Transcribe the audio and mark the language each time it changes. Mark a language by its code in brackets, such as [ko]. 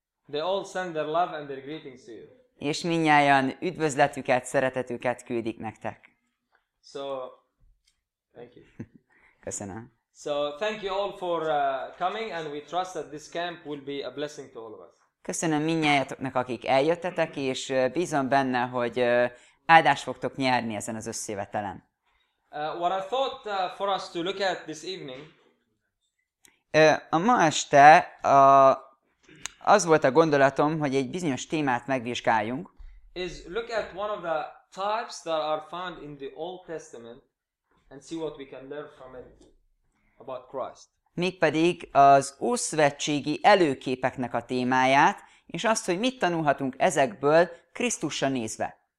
[en] They all send their love and their greetings to you. [hu] És mindnyájan üdvözletüket, szeretetüket küldik nektek. [en] So, thank you. [hu] Köszönöm. [en] So thank you all for coming and we trust that this camp will be a blessing to all of us. [hu] Köszönöm mindnyájatoknak, akik eljöttetek, és bízom benne, hogy áldást fogtok nyerni ezen az összejövetelen. [en] What I thought for us to look at this evening. [hu] A ma este az volt a gondolatom, hogy egy bizonyos témát megvizsgáljunk. [en] Is look at one of the types that are found in the Old Testament and see what we can learn from it. About Christ. [hu] Mégpedig az ószövetségi előképeknek a témáját, és azt, hogy mit tanulhatunk ezekből Krisztusra nézve.